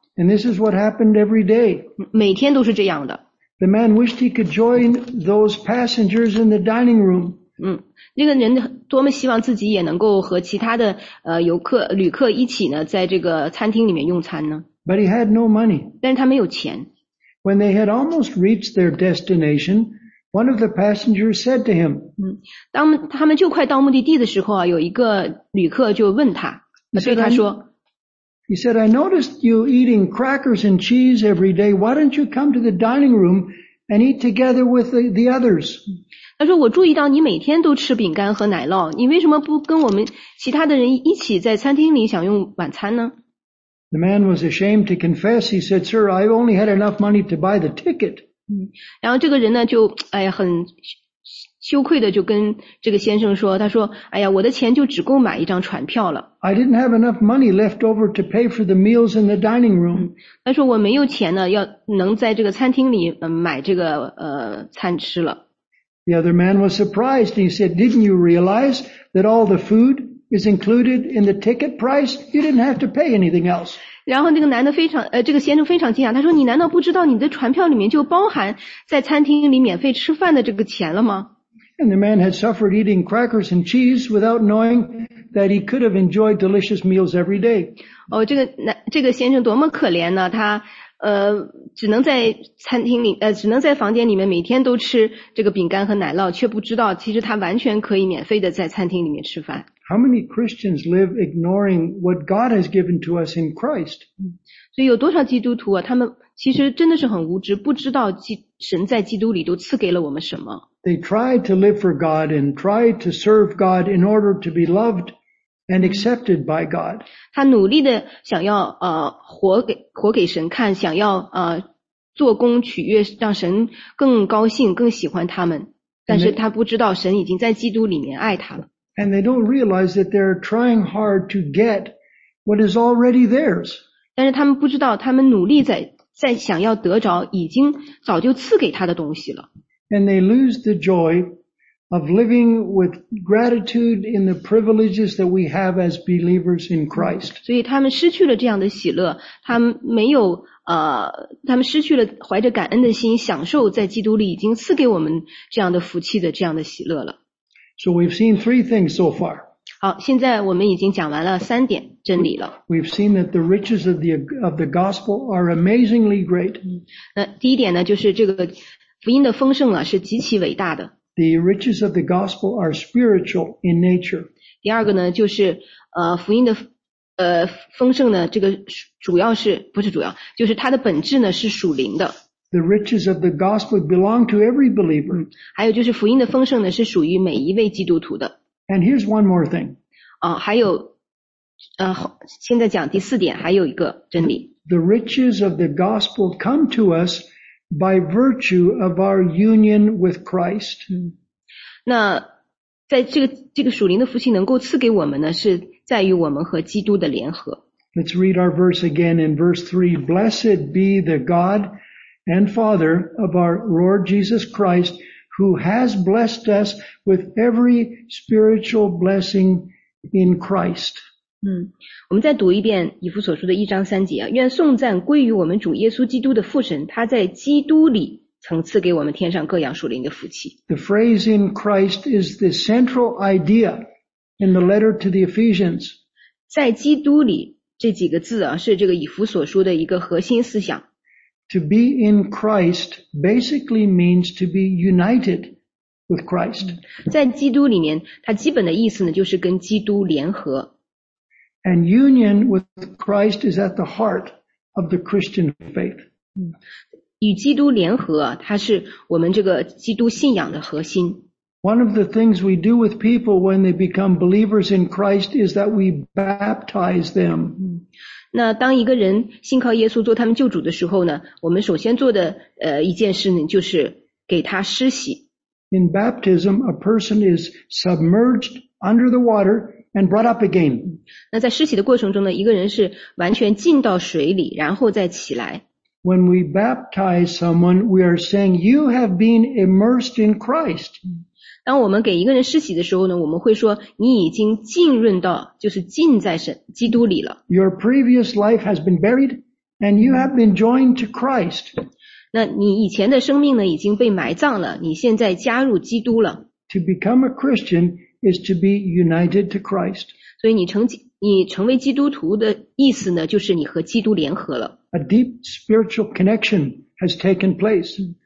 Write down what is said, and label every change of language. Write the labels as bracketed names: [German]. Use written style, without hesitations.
[English] And this is what happened every day. [Chinese] 每天都是这样的。 [English] The man wished he could join those passengers in the dining room. [Chinese] 那个人多么希望自己也能够和其他的游客旅客一起呢，在这个餐厅里面用餐呢。 [English] But he had no money. [Chinese] 但是他没有钱。 [English] When they had almost reached their destination, one of the passengers said to him. [Chinese] 当他们就快到目的地的时候啊，有一个旅客就问他，对他说。 [English] He said, I noticed you eating crackers and cheese every day. Why don't you come to the dining room and eat together with the others? [Chinese] 他说我注意到你每天都吃饼干和奶酪，你为什么不跟我们其他的人一起在餐厅里享用晚餐呢？ [English] The man was ashamed to confess. He said, sir, I only had enough money to buy the ticket. [Chinese] 然后这个人呢就很羞愧的就跟这个先生说，他说哎呀，我的钱就只够买一张船票了。 [English] I didn't have enough money left over to pay for the meals in the dining room. [Chinese] 他说我没有钱呢，要能在这个餐厅里买这个餐吃了。 [English] The other man was surprised. He said, didn't you realize that all the food is included in the ticket price? You didn't have to pay anything else. [Chinese] 然后那个男的这个先生非常惊讶，他说你难道不知道你的船票里面就包含在餐厅里免费吃饭的这个钱了吗？ [English] And the man had suffered eating crackers and cheese without knowing that he could have enjoyed delicious meals every day. [Chinese] 这个先生多么可怜呢，他只能在餐厅里只能在房间里面每天都吃这个饼干和奶酪，却不知道其实他完全可以免费的在餐厅里面吃饭。 [English] How many Christians live ignoring what God has given to us in Christ? [Chinese] 所以有多少基督徒啊，他们其实真的是很无知，不知道神在基督里都赐给了我们什么。 [English] They try to live for God and try to serve God in order to be loved and accepted by God. [Chinese] 他努力的想要活给神看，想要做工取悦，让神更高兴，更喜欢他们。但是他不知道神已经在基督里面爱他了。 [English] And they don't realize that they're trying hard to get what is already theirs. [Chinese] 但是他们不知道，他们努力在想要得着已经早就赐给他的东西了。 [English] And they lose the joy of living with gratitude in the privileges that we have as believers in Christ. [Chinese] 所以他们失去了这样的喜乐，他们没有他们失去了怀着感恩的心享受在基督里已经赐给我们这样的福气的这样的喜乐了。 [English] So we've seen 3 things so far. [Chinese] 好，现在我们已经讲完了三点真理了。 [English] We've seen that the riches of the gospel are amazingly great. [Chinese] 第一点呢，就是这个福音的丰盛啊，是极其伟大的。 [English] The riches of the gospel are spiritual in nature. [Chinese] 第二个呢，就是福音的丰盛呢，这个主要是不是主要，就是它的本质呢是属灵的。 [English] The riches of the gospel belong to every believer. [Chinese] 还有就是福音的丰盛呢，是属于每一位基督徒的。 [English] And here's one more thing. [Chinese] 还有现在讲第四点，还有一个真理。 [English] The riches of the gospel come to us. By virtue of our union with Christ. [Chinese] 那在这个属灵的福气能够赐给我们呢，是在于我们和基督的联合。 [English] Let's read our verse again in verse 3. Blessed be the God and Father of our Lord Jesus Christ, who has blessed us with every spiritual blessing in Christ. [Chinese] 我们再读一遍以弗所书的一章三节，愿颂赞归于我们主耶稣基督的父神，他在基督里曾赐给我们天上各样属灵的福气。 [English] The phrase in Christ is the central idea in the letter to the Ephesians. [Chinese] 在基督里这几个字是这个以弗所书的一个核心思想。 [English] To be in Christ basically means to be united with Christ. [Chinese] 在基督里面，它基本的意思呢，就是跟基督联合。 [English] And union with Christ is at the heart of the Christian faith. [Chinese] 与基督联合，它是我们这个基督信仰的核心。 [English] One of the things we do with people when they become believers in Christ is that we baptize them. [Chinese] 那当一个人信靠耶稣做他们救主的时候呢，我们首先做的一件事呢，就是给他施洗。 [English] In baptism, a person is submerged under the water and brought up again. [Chinese] 那在施洗的过程中呢，一个人是完全浸到水里，然后再起来。 [English] When we baptize someone, we are saying, you have been immersed in Christ. [Chinese] 当我们给一个人施洗的时候呢，我们会说你已经浸润到，就是浸在神基督里了。 [English] Your previous life has been buried and you have been joined to Christ. [Chinese] 那你以前的生命呢已经被埋葬了，你现在加入基督了。 [English] To become a Christian is to be united to Christ. [Chinese] 所以你成为基督徒的意思呢，就是你和基督联合了。 [English] A deep spiritual connection has taken place.